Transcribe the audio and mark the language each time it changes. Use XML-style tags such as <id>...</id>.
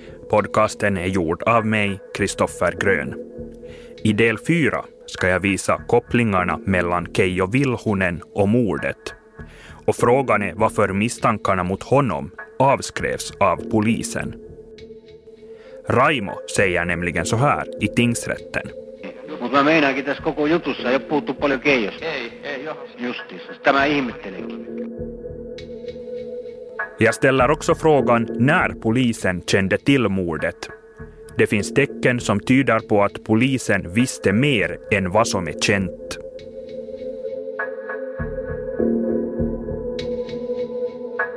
<sv>Podcasten är gjord av mig, Kristoffer Grön. I del 4 ska jag visa kopplingarna mellan Keijo Vilhunen och mordet. Och frågan är varför misstankarna mot honom avskrevs av polisen. Raimo säger nämligen så här i tingsrätten.</sv> <fi>Mutta mä meinaankin tässä koko jutussa, ei ole puhuttu paljon Keijosta. Ei, justiinsa. Tämä ihmettelenkin.</fi> <sv>Jag ställer också frågan när polisen kände till mordet. Det finns tecken som tyder på att polisen visste mer än vad som är känt.</sv>